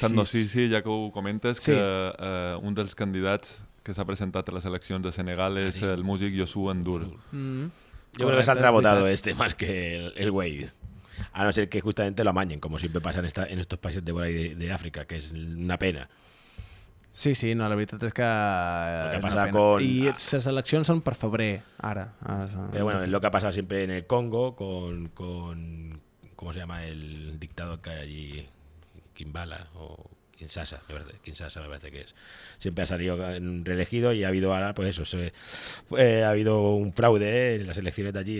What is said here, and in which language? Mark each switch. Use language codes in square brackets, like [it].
[ca] estan, no, sí, sí, ja que ho comentes, sí. Que un dels candidats que s'ha presentat a les eleccions de Senegal és el músic Yosu Endur. [es] Yo creo que saldrá votado este más que el güey. A no ser que justamente lo amañen, como siempre pasa en estos países de por ahí de África, que es una pena. [ca] Sí, sí, no, la veritat és que... [es] Lo que ha passat con... [ca] I les eleccions són per febrer, ara. [es] Però bueno, es lo que ha pasado siempre en el Congo con... ¿Cómo se llama el dictador que hay allí? Kimbala o... Kinshasa, me parece que es. Siempre ha salido reelegido y ha habido ahora, pues eso, ha habido un fraude en las elecciones de allí.